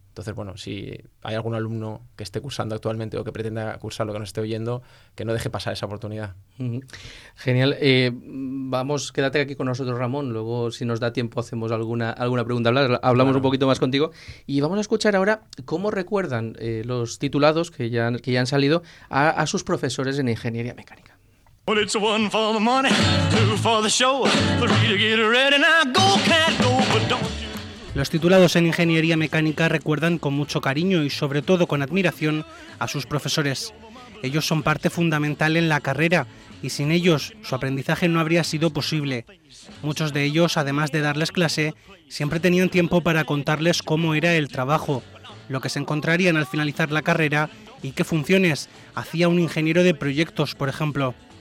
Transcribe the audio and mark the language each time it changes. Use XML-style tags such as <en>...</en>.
<es>Entonces, bueno, si hay algún alumno que esté cursando actualmente o que pretenda cursar lo que nos esté oyendo, que no deje pasar esa oportunidad. Genial. Vamos, quédate aquí con nosotros, Ramón. Luego, si nos da tiempo, hacemos alguna pregunta. Hablamos un poquito más contigo. Y vamos a escuchar ahora cómo recuerdan los titulados que ya han salido a sus profesores en ingeniería mecánica.</es> <en>Well, it's a one for the money, two for the show, three to get ready now, go cat go, but don't you...</en> <es>Los titulados en ingeniería mecánica recuerdan con mucho cariño y sobre todo con admiración a sus profesores. Ellos son parte fundamental en la carrera y sin ellos su aprendizaje no habría sido posible. Muchos de ellos, además de darles clase, siempre tenían tiempo para contarles cómo era el trabajo, lo que se encontrarían al finalizar la carrera y qué funciones hacía un ingeniero de proyectos, por ejemplo.</es>